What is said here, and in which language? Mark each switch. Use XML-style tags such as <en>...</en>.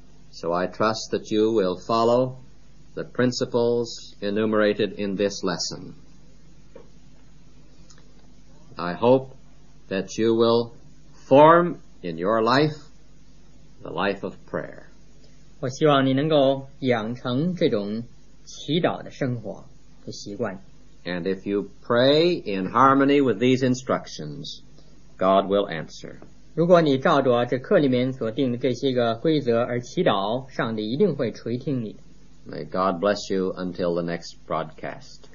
<en>So I trust that you will follow the principles enumerated in this lesson. I hope that you will form in your life the life of prayer.</en> <zh>我希望你能够养成这种祈祷的生活和习惯。</zh> <en>And if you pray in harmony with these instructions, God will answer.</en> <zh>如果你照着这课里面所定的这些个规则而祈祷，上帝一定会垂听你。</zh> <en>May God bless you until the next broadcast.</en>